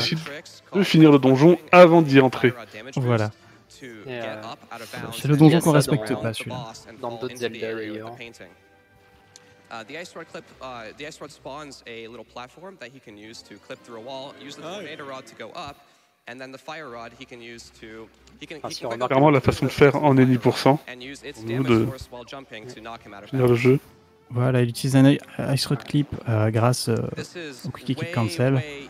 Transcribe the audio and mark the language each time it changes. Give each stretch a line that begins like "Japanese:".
French: Il est possible de finir le donjon avant d'y entrer. Voilà. C'est le donjon qu'on respecte pas, celui-là. Dans d'autres Zelda, d'ailleurs.
English: The ice rod clip, the ice rod spawns a little platform that he can use to clip through a wall, use the tornado rod to go up, and then the fire rod he can use to...
French: Apparemment, la façon de faire en 80%, de le jeu. Voilà, il utilise un ice rod clip grâce au quick kick cancel.